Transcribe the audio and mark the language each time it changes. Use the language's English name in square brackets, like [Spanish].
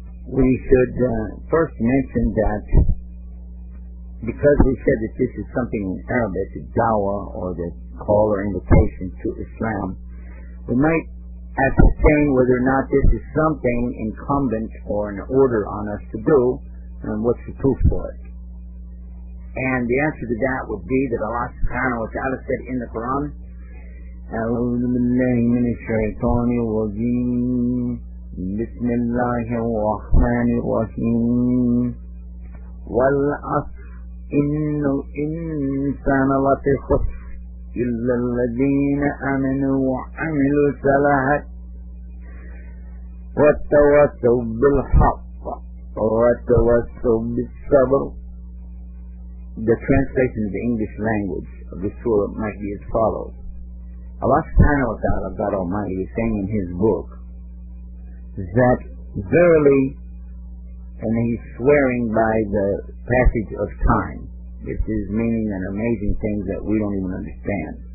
[English] We should first mention that because we said that this is something in Arabic, the dawah or the call or invitation to Islam, we might ascertain whether or not this is something incumbent or an order on us to do, and what's the proof for it. And the answer to that would be that Allah subhanahu wa ta'ala said in the Quran, [Arabic] أَعُوذُ بِاللَّهِ مِنَ الشَّيْطَانِ الرَّجِيمِ بِسْمِ اللَّهِ الرَّحْمَنِ الرَّحِيمِ وَالْعَصْرِ إِنَّ الْإِنسَانَ لَفِي خُسْرٍ إِلَّا الَّذِينَ آمَنُوا وَعَمِلُوا الصَّالِحَاتِ وَتَوَاصَوْا بِالْحَقِّ وَتَوَاصَوْا بِالصَّبْرِ. [English] The translation of the English language of the surah might be as follows. Allah subhanahu wa ta'ala, God Almighty, is saying in His book that verily, and He's swearing by the passage of time, this is meaning an amazing thing that we don't even understand.